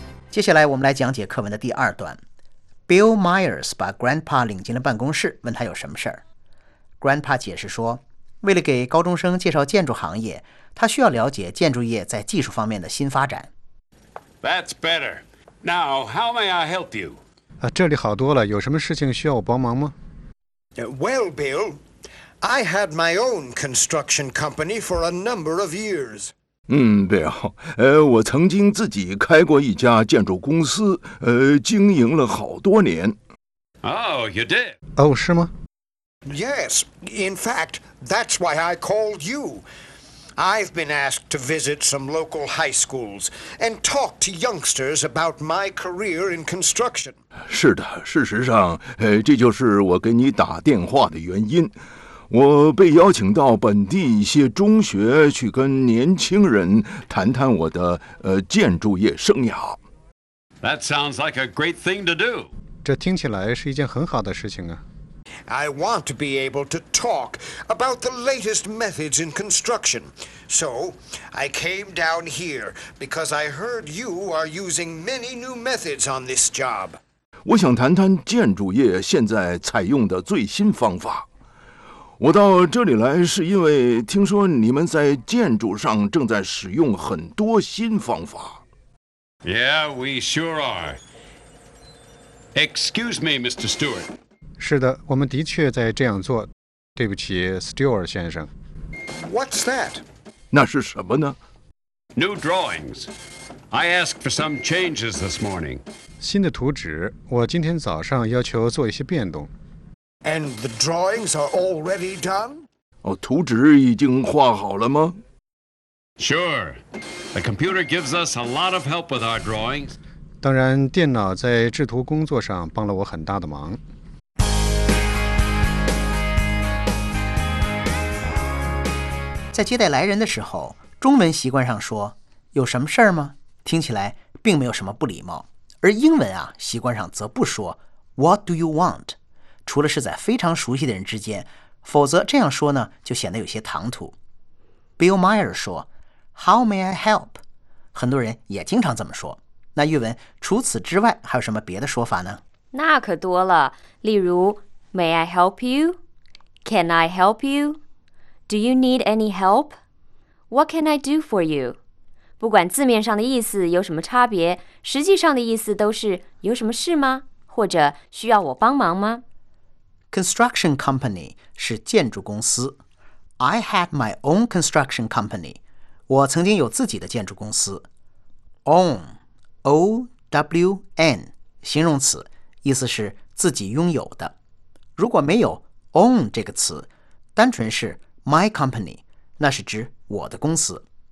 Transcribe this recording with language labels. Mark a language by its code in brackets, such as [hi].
[zh] 接下来我们来讲解课文的第二段。Bill Myers 把 Grandpa 领进了办公室，问他有什么事。 Grandpa 解释说，为了给高中生介绍建筑行业，他需要了解建筑业在技术方面的新发展。 [en] That's better. Now, how may I help you? [zh] 啊，这里好多了，有什么事情需要我帮忙吗？ [en] Well, Bill, I had my own construction company for a number of years. [zh] Bill, 我曾经自己开过一家建筑公司，经营了好多年。 [en] Oh, you did? [zh] 哦，是吗？ [en] Yes, in fact, that's why I called you. I've been asked to visit some local high schools and talk to youngsters about my career in construction. [zh] 是的，事实上，这就是我给你打电话的原因。我被邀请到本地一些中学去跟年轻人谈谈我的建筑业生涯。 [en] That sounds like a great thing to do. [zh] 这听起来是一件很好的事情啊。 [en] I want to be able to talk about the latest methods in construction. So, I came down here because I heard you are using many new methods on this job. [zh] 我想谈谈建筑业现在采用的最新方法。我到这里来是因为听说你们在建筑上正在使用很多新方法。 [en] Yeah, we sure are. Excuse me, Mr. Stewart. [zh] 是的，我们的确在这样做。对不起 ，Stewart 先生。 [en] What's that? [zh] 那是什么呢 [en] ？New drawings. I asked for some changes this morning. [zh] 新的图纸，我今天早上要求做一些变动。 [en] And the drawings are already done? [zh] 哦，图纸已经画好了吗 [en] ？Sure. The computer gives us a lot of help with our drawings. [zh] 当然，电脑在制图工作上帮了我很大的忙。在接待来人的时候，中文习惯上说有什么事儿吗，听起来并没有什么不礼貌，而英文啊，习惯上则不说 [en] What do you want? [zh] 除了是在非常熟悉的人之间，否则这样说呢，就显得有些唐突。 Bill Meyer 说 [en] How may I help? [zh] 很多人也经常这么说。那玉文，除此之外还有什么别的说法呢？那可多了，例如 [en] May I help you? Can I help you? Do you need any help? What can I do for you? [zh] 不管字面上的意思有什么差别，实际上的意思都是有什么事吗？或者需要我帮忙吗？ Construction company 是建筑公司。 [en] I had my own construction company. [zh] 我曾经有自己的建筑公司。Own, O-W-N, 形容词，意思是自己拥有的。如果没有 own 这个词，单纯是 [en] My company, [zh] 那是指我的公司。